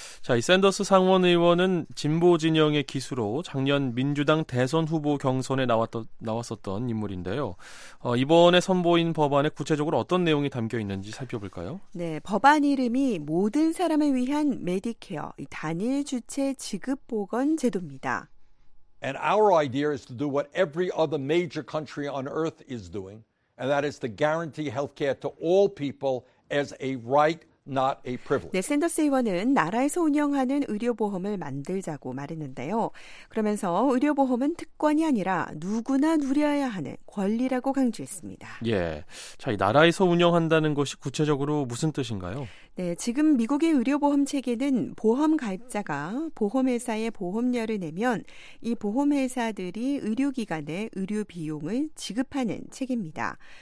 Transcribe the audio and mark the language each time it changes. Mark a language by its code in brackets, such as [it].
[ko] 자, 이 샌더스 상원 의원은 진보 진영의 기수로 작년 민주당 대선 후보 경선에 나왔었던 인물인데요. 이번에 선보인 법안에 구체적으로 어떤 내용이 담겨 있는지 살펴볼까요? 네. 법안 이름이 모든 사람을 위한 메디케어, 이 단일 주체 지급 보건 제도입니다. [en] And our idea is to do what every other major country on earth is doing. And that is to guarantee healthcare to all people as a right, not a privilege. [ko] 네, 샌더스 의원은 나라에서 운영하는 의료보험을 만들자고 말했는데요. 그러면서 의료보험은 특권이 아니라 누구나 누려야 하는 권리라고 강조했습니다. 예, 자, 이 나라에서 운영한다는 것이 구체적으로 무슨 뜻인가요? 네, 지금 미국의 의료보험 체계는 보험 가입자가 보험회사에 보험료를 내면 이 보험회사들이 의료기관에 의료비용을 지급하는 체계입니다.